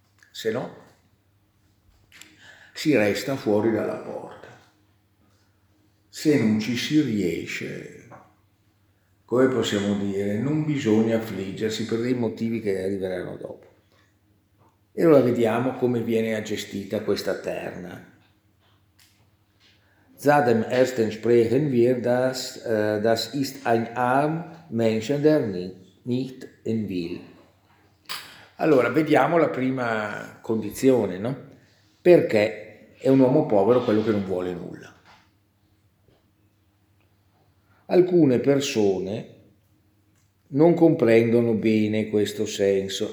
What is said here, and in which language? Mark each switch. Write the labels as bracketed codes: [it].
[it] Se no, si resta fuori dalla porta. Se non ci si riesce, come possiamo dire, non bisogna affliggersi per dei motivi che arriveranno dopo. E ora vediamo come viene gestita questa terna. [de] Zadem ersten sprechen wir, das ist ein arm Menschen, der nicht in will. [it] Allora, vediamo la prima condizione, no? Perché è un uomo povero quello che non vuole nulla. Alcune persone non comprendono bene questo senso.